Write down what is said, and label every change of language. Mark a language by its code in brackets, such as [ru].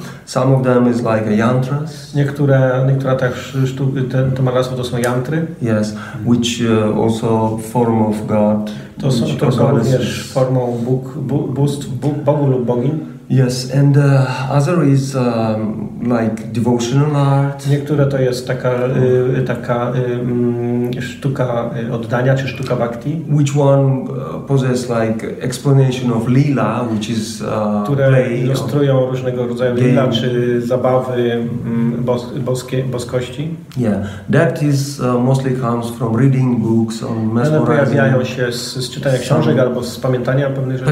[en] Some of them is like a yantras. [pl] Niektóre te sztuki, to malarstwo to są yantry. [en] Yes, which also form of God. [pl] To są formą Bogu lub Bogin. [en] Yes, and other is like devotional art. [pl] Niektóre to jest taka sztuka oddania, czy sztuka bhakti. [en] Which one possess like explanation of lila, which is [pl] które [en] play. [pl] Które ilustrują różnego rodzaju [en] game. [pl] Lila, czy zabawy boskości. [en] Yeah, that is mostly comes from reading books on mesmerizing. [pl] One pojawiają się z czytania książek albo z pamiętania pewnych rzeczy.